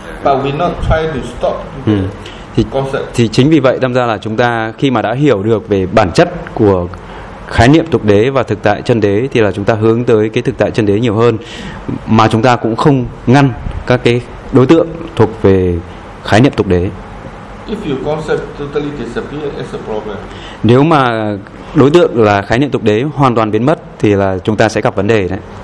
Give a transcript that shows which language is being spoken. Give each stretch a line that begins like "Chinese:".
English: But we not try to stop the concept.
Vietnamese: Thì chính vì vậy đâm ra là chúng ta khi mà đã hiểu được về bản chất của khái niệm tục đế và thực tại chân đế thì là chúng ta hướng tới cái thực tại chân đế nhiều hơn, mà chúng ta cũng không ngăn các cái đối tượng thuộc về khái niệm tục đế.
English: If your concept totally disappears, it's a problem.
Vietnamese: Nếu mà đối tượng là khái niệm tục đế hoàn toàn biến mất thì là chúng ta sẽ gặp vấn đề đấy.